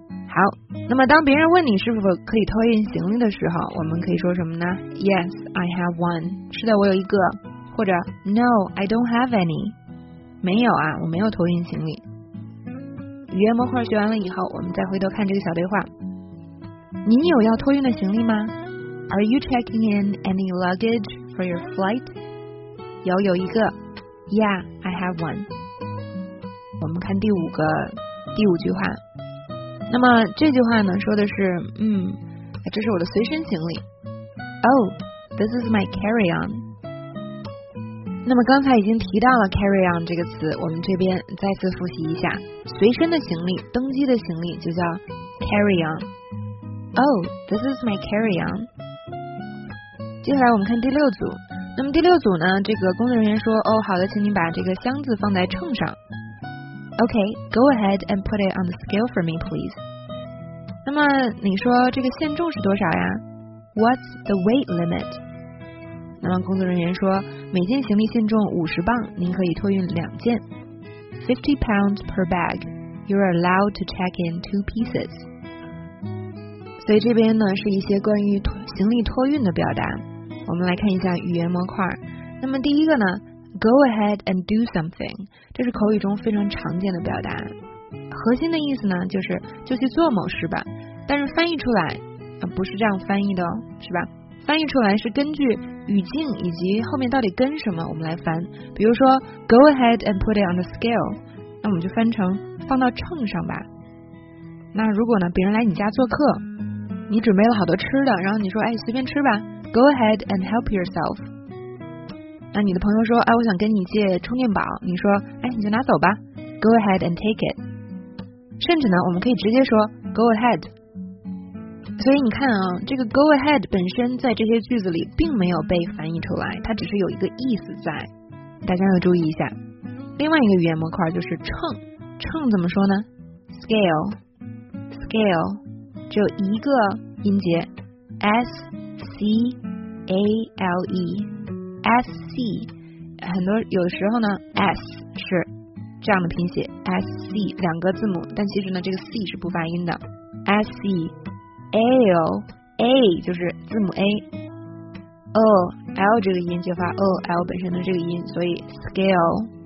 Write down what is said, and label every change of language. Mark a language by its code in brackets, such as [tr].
[zh] 好，那么当别人问你是否可以托运行李的时候，我们可以说什么呢？ [en] Yes, I have one. [zh] 是的，我有一个。或者 [en] No, I don't have any. [zh] 没有啊，我没有托运行李。语言模块学完了以后，我们再回头看这个小对话。您有要托运的行李吗？ [en] Are you checking in any luggage for your flight? [zh] 有一个。 [en] Yeah, I have one. [zh] 我们看第五句话。那么这句话呢说的是这是我的随身行李。 [en] Oh, this is my carry-on. [zh] 那么刚才已经提到了 carry-on 这个词，我们这边再次复习一下，随身的行李，登机的行李就叫 carry-on. [en] Oh, this is my carry-on. [zh] 接下来我们看第六组。那么第六组呢，这个工作人员说，哦，好的，请你把这个箱子放在秤上。 [en] Okay, go ahead and put it on the scale for me, please. [zh] 那么你说这个限重是多少呀？ [en] What's the weight limit? [zh] 那么工作人员说每件行李限重50磅，您可以托运两件。 [en] 50 pounds per bag, you're allowed to check in two pieces. [zh] 所以这边呢是一些关于行李托运的表达。我们来看一下语言模块。那么第一个呢， [en] Go ahead and do something， [zh] 这是口语中非常常见的表达。核心的意思呢，就是就去做某事吧。但是翻译出来，不是这样翻译的哦，是吧？翻译出来是根据语境以及后面到底跟什么，我们来翻。比如说 ， [en] Go ahead and put it on the scale， [zh] 那我们就翻成放到秤上吧。那如果呢，别人来你家做客，你准备了好多吃的，然后你说，哎，随便吃吧 [en] ，Go ahead and help yourself。 [zh] 那你的朋友说，哎，我想跟你借充电宝，你说，哎，你就拿走吧 [en] ，Go ahead and take it。 [zh] 甚至呢，我们可以直接说 Go ahead。所以你看啊，这个 Go ahead 本身在这些句子里并没有被翻译出来，它只是有一个意思在，大家要注意一下。另外一个语言模块就是秤，秤怎么说呢 [en] ？Scale， [zh] 只有一个音节 ，S C A L E。 SC， 很多有时候呢 S 是这样的拼写 SC 两个字母，但其实呢这个 C 是不发音的 SC。 L A 就是字母 A， O L 这个音就发 O L 本身的这个音，所以 scale。